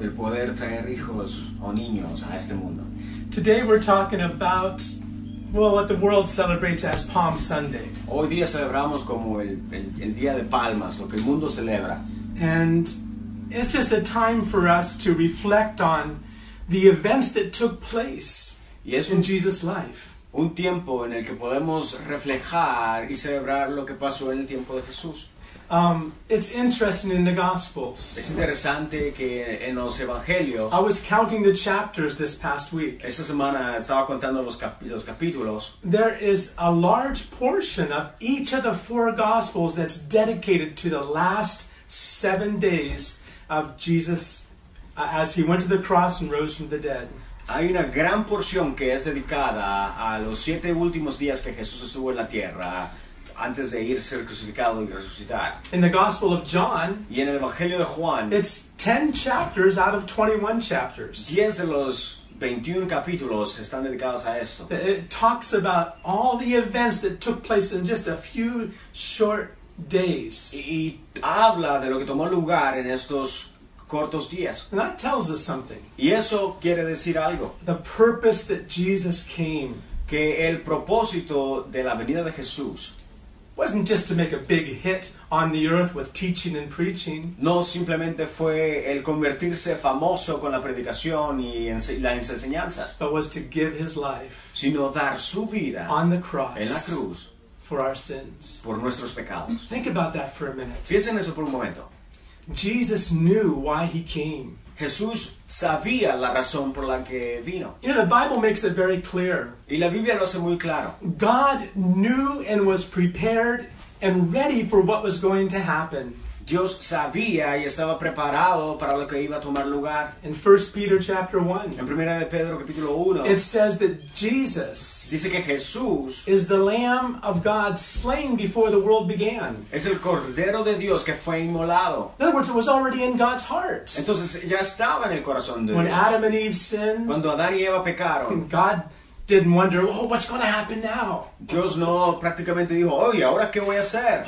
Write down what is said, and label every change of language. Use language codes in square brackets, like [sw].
[es] De poder traer hijos o niños a este mundo. [en] Today we're talking about what the world celebrates as Palm Sunday. [es] Hoy día celebramos como el día de palmas, lo que el mundo celebra. [en] And it's just a time for us to reflect on the events that took place in Jesus' life. [es] Un tiempo en el que podemos reflejar y celebrar lo que pasó en el tiempo de Jesús. [en] It's interesting in the Gospels. [es] Es interesante que en los Evangelios. [en] I was counting the chapters this past week. [es] Esta semana estaba contando los capítulos. [en] There is a large portion of each of the four Gospels that's dedicated to the last 7 days of Jesus as he went to the cross and rose from the dead. [es] Hay una gran porción que es dedicada a los 7 últimos días que Jesús estuvo en la tierra. Antes de ir a ser crucificado y resucitar. [en] In the Gospel of John, [es] y en el Evangelio de Juan, [en] it's 10 chapters out of 21 chapters. [es] 10 de los 21 capítulos están dedicados a esto. [en] It talks about all the events that took place in just a few short days. [es] Y habla de lo que tomó lugar en estos cortos días. [en] And that tells us something. [es] Y eso quiere decir algo. [en] The purpose that Jesus came. [es] Que el propósito de la venida de Jesús [en] wasn't just to make a big hit on the earth with teaching and preaching. [es] No simplemente fue el convertirse famoso con la predicación y las enseñanzas. [en] But was to give his life, [es] sino dar su vida, [en] on the cross, [es] en la cruz, [en] for our sins, [es] por nuestros pecados. [en] Think about that for a minute. [es] Piensen eso por un momento. [en] Jesus knew why he came. [es] Jesús sabía la razón por la que vino. [en] You know, the Bible makes it very clear. [es] Y la Biblia lo hace muy claro. [en] God knew and was prepared and ready for what was going to happen. [es] Dios sabía y estaba preparado para lo que iba a tomar lugar. [en] In 1 Peter chapter 1. [es] En Primera de Pedro capítulo 1. [en] It says that Jesus, [es] dice que Jesús, [en] is the Lamb of God slain before the world began. [es] Es el Cordero de Dios que fue inmolado. [en] In other words, it was already in God's heart. [es] Entonces ya estaba en el corazón de [en] when [es] Dios. [en] When Adam and Eve sinned, [es] cuando Adán y Eva pecaron, [en] God didn't wonder, oh, what's going to happen now? [es] Dios no prácticamente dijo, oh, ¿y ahora qué voy a hacer?